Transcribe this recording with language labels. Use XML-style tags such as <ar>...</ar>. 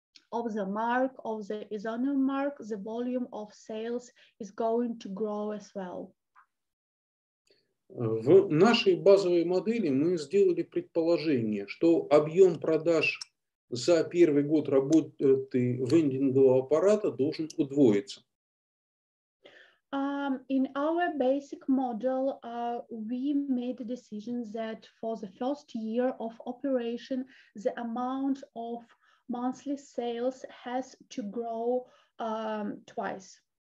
<en>of the mark, of the Isonium mark, the volume of sales is going to grow as well.</en> <ru>В нашей базовой модели мы сделали предположение, что объем продаж за первый год работы вендингового аппарата должен удвоиться.</ru> <en>In our basic model, we made a decision that for the first year of operation, the amount of monthly sales has to grow twice.</en>